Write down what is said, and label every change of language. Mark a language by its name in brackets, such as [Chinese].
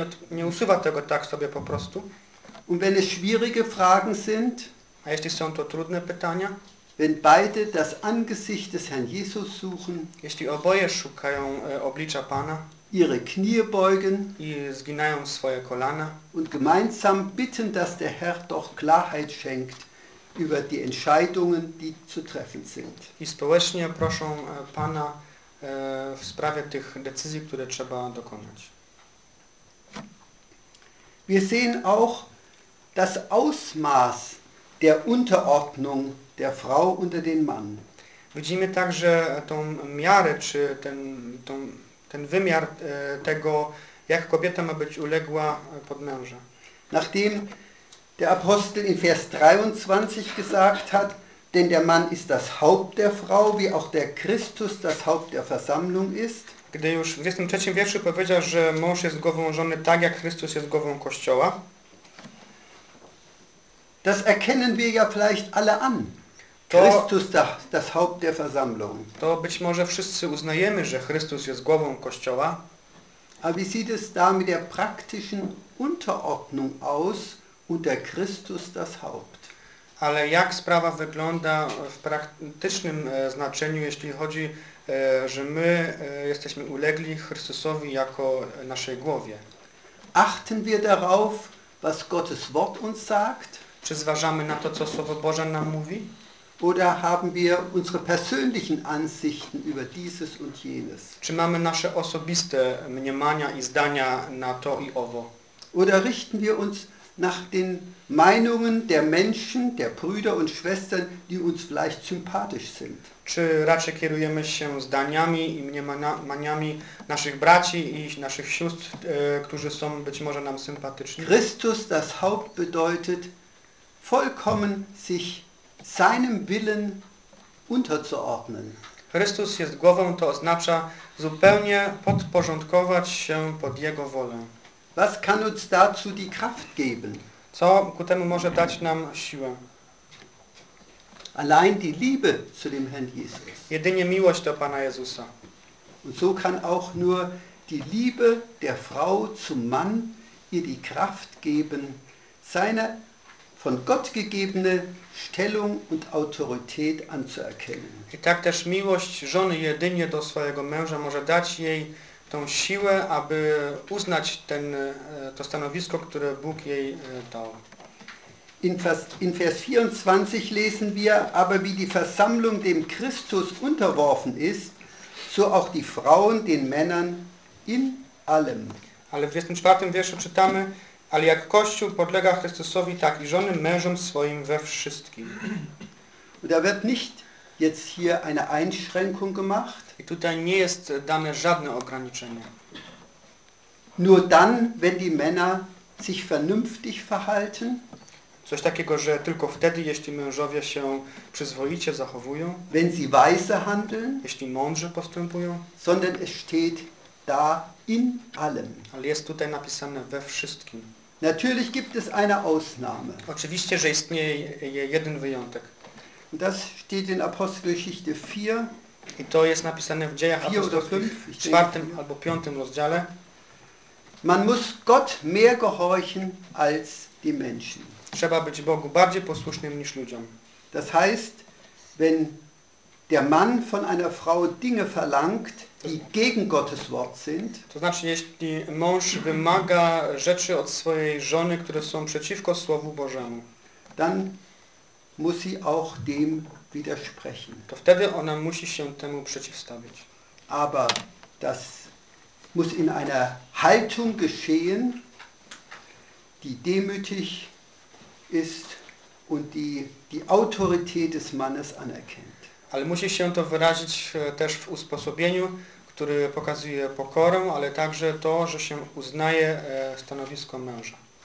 [Polish] nie usuwa tego tak sobie po prostu, [German] und wenn es schwierige Fragen sind, a [Polish] A jeśli są to trudne pytania? [German] Wenn beide das Angesicht des Herrn Jesus suchen, [Polish] jeśli oboje szukają oblicza Pana, [German] ihre Knie beugen, [Polish] i zginają swoje kolana, [German] und gemeinsam bitten, dass der Herr doch Klarheit schenkt über die Entscheidungen, die zu treffen sind. [Polish] I społecznie proszą Pana w sprawie tych decyzji, które trzeba dokonać. [German] Wir sehen auch das Ausmaß der Unterordnung der Frau unter den Mann. [Polish] Widzimy także tą miarę, czy ten wymiar tego, jak kobieta ma być uległa pod męża. [German] Nachdem der Apostel in Vers 23 gesagt hat, denn der Mann ist das Haupt der Frau, wie auch der Christus das Haupt der Versammlung ist. [Polish] Gdy już w 23 wierszu powiedział, że mąż jest głową żony, tak jak Chrystus jest głową Kościoła. [German] Das erkennen wir ja vielleicht alle an. Christus das Haupt der Versammlung. [Polish] To być może wszyscy uznajemy, że Chrystus jest głową Kościoła. [German] A wie sieht es da mit der praktischen Unterordnung aus unter Christus das Haupt? [Polish] Ale jak sprawa wygląda w praktycznym znaczeniu, jeśli chodzi, że my jesteśmy ulegli Chrystusowi jako naszej głowie? [German] Achten wir darauf, was Gottes Wort uns sagt? [Polish] Czy zważamy na to, co Słowo Boże nam mówi? [German] Oder haben wir unsere persönlichen Ansichten über dieses und jenes? [Polish] Czy mamy nasze osobiste mniemania i zdania na to i owo? [German] Oder richten wir uns nach den Meinungen der Menschen, der Brüder und Schwestern, die uns vielleicht sympathisch sind? [Polish] Czy raczej kierujemy się zdaniami i mniemaniami naszych braci i naszych sióstr, którzy są być może nam sympatyczni? [German] Christus das Haupt bedeutet vollkommen sich seinem Willen unterzuordnen. [Polish] Chrystus jest głową, to oznacza zupełnie podporządkować się pod Jego wolę. [German] Was kann uns dazu die Kraft geben? [Polish] Co ku temu może dać nam siłę? [German] Allein die Liebe zu dem Herrn Jesus. [Polish] Jedynie miłość do Pana Jezusa. [German] Und so kann auch nur die Liebe der Frau zum Mann ihr die Kraft geben, seine von Gott gegebene Stellung und Autorität anzuerkennen. [Polish] I tak też miłość żony jedynie do swojego męża może dać jej tą siłę, aby uznać to stanowisko, które Bóg jej dał. [German] In Vers 24 lesen wir, aber wie die Versammlung dem Christus unterworfen ist, so auch die Frauen den Männern in allem. [Polish] Ale w 24 wierszu czytamy, ale jak Kościół podlega Chrystusowi, tak i żony mężom swoim we wszystkim. [German] Und da wird nicht jetzt hier eine Einschränkung gemacht. [Polish] I tutaj nie jest dane żadne ograniczenie. [German] Nur dann, wenn die Männer sich vernünftig verhalten. [Polish] Coś takiego, że tylko wtedy, jeśli mężowie się przyzwoicie zachowują. [German] Wenn sie weise handeln. [Polish] Jeśli mądrze postępują. [German] Sondern es steht da in allem. [Polish] Ale jest tutaj napisane we wszystkim. [German] Natürlich gibt es eine Ausnahme. [Polish] Oczywiście, że istnieje jeden wyjątek. [German] Und das steht in Apostelgeschichte 4. [Polish] I to jest napisane w Dziejach Apostolskich, w 4 albo 5 rozdziale. [German] Man muss Gott mehr gehorchen als die Menschen. [Polish] Trzeba być Bogu bardziej posłusznym niż ludziom. [German] Das heißt, wenn der Mann von einer Frau Dinge verlangt, die gegen Gottes Wort sind. [Polish] To znaczy, jeśli mąż wymaga rzeczy od swojej żony, które są przeciwko Słowu Bożemu. [German] Dann muss sie auch dem widersprechen. [Polish] To wtedy ona musi się temu przeciwstawić. [German] Aber das muss in einer Haltung geschehen, die demütig ist und die Autorität des Mannes anerkennt. [Polish] Ale musi się to wyrazić też w usposobieniu, który pokazuje pokorę, ale także to, że się uznaje stanowisko męża.